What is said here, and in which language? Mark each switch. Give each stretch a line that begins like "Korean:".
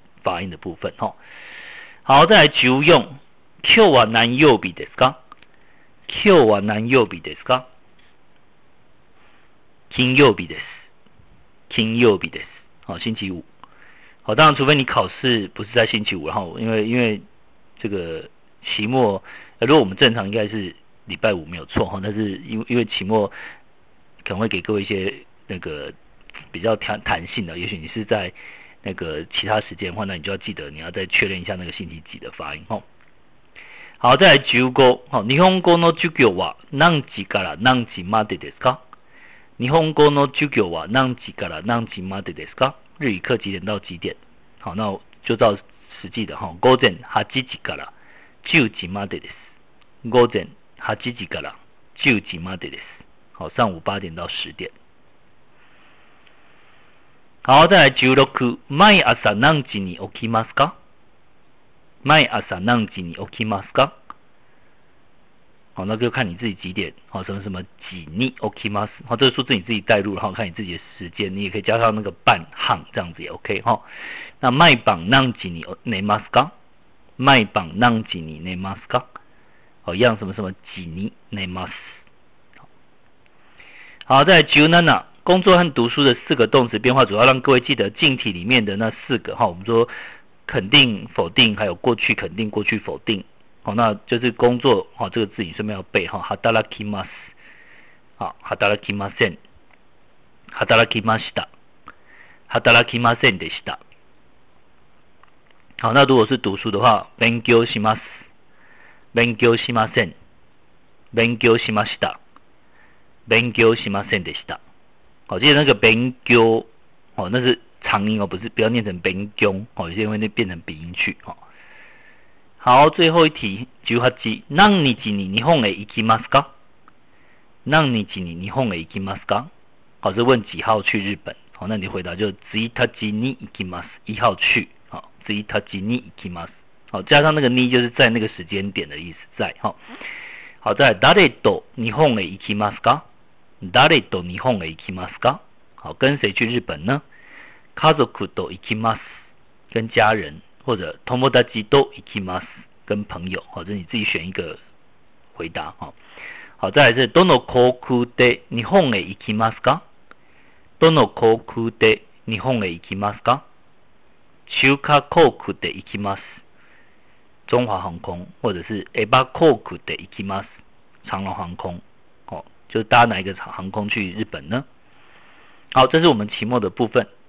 Chinese: 发音的部分哈，好，再来求用 Q 啊南右比的是刚 Q 啊南右比的是刚金右比的是金右比的是好星期五好，当然除非你考试不是在星期五，然后因为这个期末，如果我们正常应该是礼拜五没有错哈，但是因为期末可能会给各位一些那个比较弹性的，也许你是在。那个其他时间的话，那你就要记得，你要再确认一下那个星期几的发音哦。好，再来九个。
Japanese: 好，日本語の授業は何時から何時までですか？日本語の授業は何時から何時までですか？
Chinese: 日语课几点到几点？好，那就照实际的哈。
Japanese: 午前八時から十時までです。午前八時から十時までです。
Chinese: 好，上午八点到十点。好，再来九六。
Japanese: 毎朝何時に起きますか？毎朝何時に起きますか？
Chinese: 好，那就看你自己几点。好，什么什么几
Japanese: に起きます。
Chinese: 好，这个数字你自己代入，然后看你自己的时间，你也可以加上那个半行，这样子也 OK 哈。
Japanese: 那毎晩何時に寝ますか？毎晩何時に寝ますか？
Chinese: 好，一样什么什么几
Japanese: に寝ます。
Chinese: 好，再来 Junana， 工作和读书的四个动词变化，主要让各位记得近体里面的那四个哈。我们说肯定、否定，还有过去肯定、过去否定。好，那就是工作哈，这个字你顺便要背哈。
Japanese: Hadarakimasu， 好 ，Hadarakimasen， Hadarakimashita， Hadarakimasen でした。好，那如果是读书的话，勉強します，勉強しません，勉強しました。勉強しませんでした。
Chinese: 好，记得那个勉強，哦，那是长音哦，不是，不要念成勉強，哦，有些人会变成鼻音去，哦。好，最后一题，
Japanese: 18，何日に日本へ行きますか？何日に日本へ行きますか？
Chinese: 好，是问几号去日本，哦，那你回答就是
Japanese: 1日に行きます，
Chinese: 一号去，好，1日に行きます，好，加上那个に就是在那个时间点的意思，在，哦。
Japanese: 好，再来，誰と日本へ行きますか？誰と日本へ行きますか？
Chinese: 好，跟谁去日本呢？
Japanese: 家族と行きます，
Chinese: 跟家人，或者
Japanese: 友達と行きます，
Chinese: 跟朋友，或者你自己选一个回答。好，好，再来是
Japanese: どの航空で日本へ行きますか？どの航空で日本へ行きますか？中華航空で行きます。
Chinese: 中华航空，或者是
Japanese: Eba Koku de Ikimas，
Chinese: 长龙航空，哦，就是搭哪一个航空去日本呢？好，这是我们期末的部分。